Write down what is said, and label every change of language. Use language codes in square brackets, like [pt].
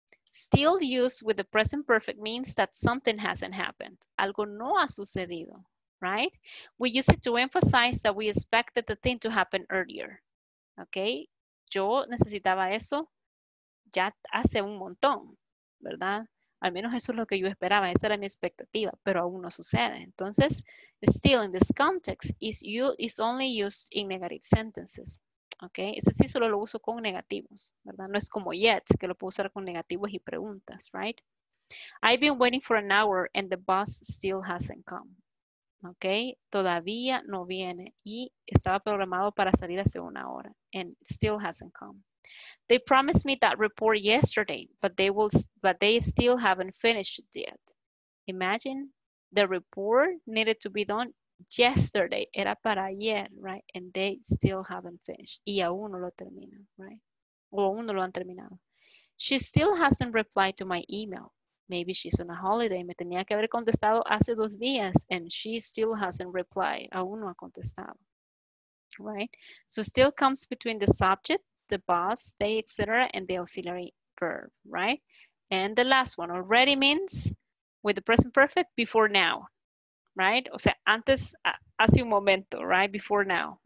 [en] Still used with the present perfect means that something hasn't happened. [es] Algo no ha sucedido. [en] Right? We use it to emphasize that we expected the thing to happen earlier. Okay? [es] Yo necesitaba eso ya hace un montón, ¿verdad? Al menos eso es lo que yo esperaba, esa era mi expectativa, pero aún no sucede. [en] Entonces, still in this context is only used in negative sentences. Okay? [es] Ese sí solo lo uso con negativos, ¿verdad? No es como yet, que lo puedo usar con negativos y preguntas, right? [en] I've been waiting for an hour and the bus still hasn't come. [es] Ok, todavía no viene y estaba programado para salir hace una hora [en] and still hasn't come. They promised me that report yesterday, but they still haven't finished yet. Imagine the report needed to be done yesterday. [es] Era para ayer, [en] right? And they still haven't finished. [es] Y aún no lo terminan, right? O aún no lo han terminado. [en] She still hasn't replied to my email. Maybe she's on a holiday. [es] Me tenía que haber contestado hace dos días. [en] And she still hasn't replied. [es] Aún no ha contestado. [en] Right? So still comes between the subject, the boss, they, etc., and the auxiliary verb. Right? And the last one. Already means with the present perfect before now. [es] Right? O sea, antes, hace un momento. Right? [en] Before now.